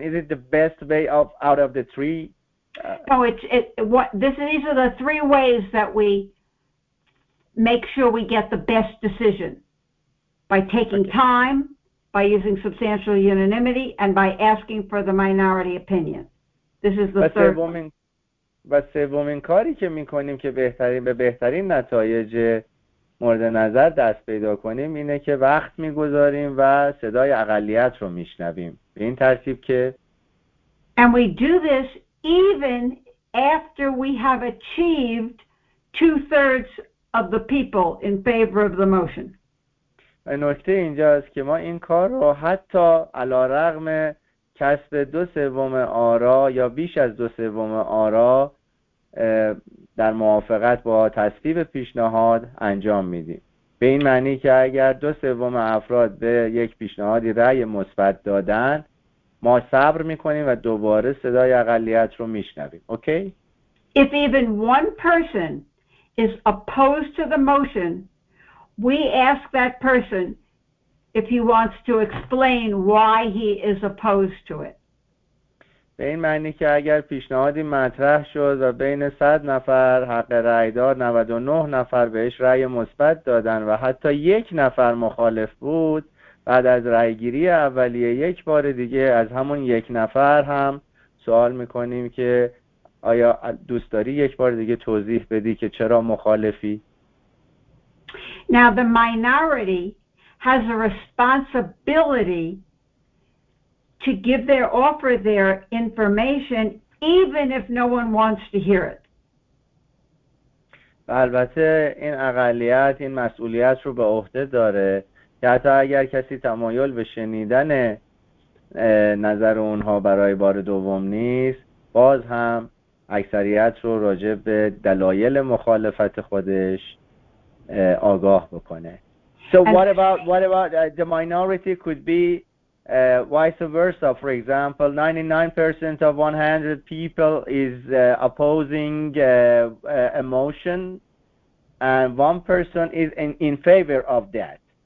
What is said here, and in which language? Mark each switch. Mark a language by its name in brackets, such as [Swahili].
[English] Is it the best way of out of the three? These are the three ways that we make sure we get the best decision: by taking time, by using substantial unanimity, and by asking for the minority opinion. This is the third. [Persian] و سومین کاری که می‌کنیم که بهترین نتایج مورد نظر دست پیدا کنیم اینه که وقت میگذاریم و صدای اقلیت رو میشنویم. به این ترتیب که [English] And we do this even after we have achieved 2/3 of the people in favor of the motion. [Persian] نکته اینجاست که ما این کار رو حتی علارغم کسب 2/3 آرا یا بیش از 2/3 آرا در موافقت با تصویب پیشنهاد انجام میدیم. به این معنی که اگر 2/3 افراد به یک پیشنهادی رأی مثبت دادن، ما صبر میکنیم و دوباره صدای اقلیت رو میشنویم. اوکی؟ [English] If even one person is opposed to the motion, we ask that person if he wants to explain why he is opposed to it. [Persian] به این معنی که اگر پیشنهادی مطرح شد و بین 100 نفر حق رأی دار 99 نفر بهش رأی مثبت دادن و حتی یک نفر مخالف بود، بعد از رأی گیری اولیه یک بار دیگه از همون یک نفر هم سوال میکنیم که آیا دوست داری یک بار دیگه توضیح بدی که چرا مخالفی؟ [English] Now the minority has a responsibility to give their offer their information even if no one wants to hear it. [Persian] البته این اقلیت این مسئولیت رو به عهده داره که حتی اگر کسی تمایل به شنیدن نظر اونها برای بار دوم نیست، باز هم اکثریت رو راجع به دلایل مخالفت خودش آگاه بکنه. [English] So what about the minority could be vice versa. For example, 99% of 100 people is opposing a motion, and one person is in favor of that.